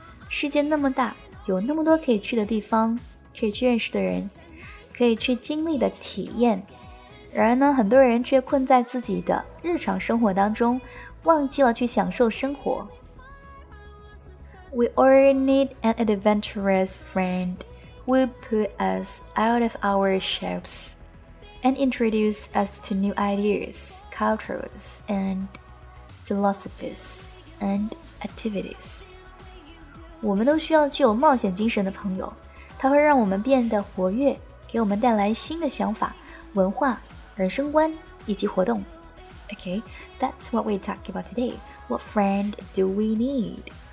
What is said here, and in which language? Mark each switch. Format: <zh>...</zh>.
<zh>世界那么大，有那么多可以去的地方，可以去认识的人，可以去经历的体验。然而呢，很多人却困在自己的日常生活当中，忘记了去享受生活。</zh> <en>We all need an adventurous friend who put us out of our shells and introduce us to new ideas, cultures, and... philosophies and activities.</en> <zh>我们都需要具有冒险精神的朋友，它会让我们变得活跃，给我们带来新的想法、文化、人生观以及活动。</zh> <en>Okay, that's what we talk about today. What friend do we need?</en>